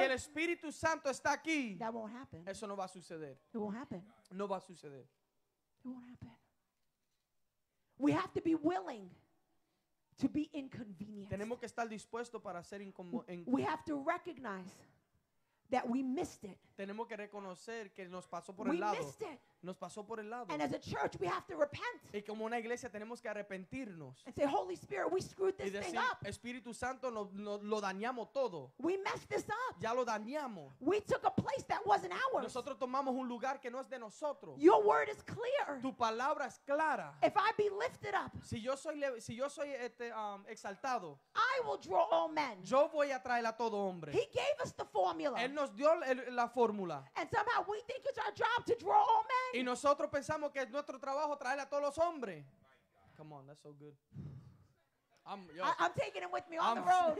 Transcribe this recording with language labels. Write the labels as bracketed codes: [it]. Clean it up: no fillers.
[es] Si el Espíritu Santo está aquí. [en] That won't happen. [es] Eso no va a suceder. [en] It won't happen. [es] No va a suceder. [en] It won't happen. We have to be willing. To be inconvenienced. [es] Tenemos que estar dispuesto para ser inconvenientes. [en] We have to recognize that we missed it. [es] Tenemos que reconocer que nos pasó por [en] we [es] el lado. [en] We missed it. [es] Nos pasó por el lado. [en] And as a church, we have to repent. [es] Y como una iglesia tenemos que arrepentirnos. [en] And say, Holy Spirit, we screwed this [es] y decir, [en] thing up. [es] Espíritu Santo, lo dañamos todo. [en] We messed this up. [es] Ya lo dañamos. [en] We took a place that wasn't ours. [es] Nosotros tomamos un lugar que no es de nosotros. [en] Your word is clear. [es] Tu palabra es clara. [en] If I be lifted up, [es] si yo soy exaltado, [en] I will draw all men. [es] Yo voy a traer a todo hombre. [en] He gave us the formula. [es] Él nos dio la fórmula. [en] And somehow we think it's our job to draw all men. [es] Y nosotros pensamos que es nuestro trabajo traer a todos los hombres. [en] Come on, that's so good. I'm taking him with me on the road.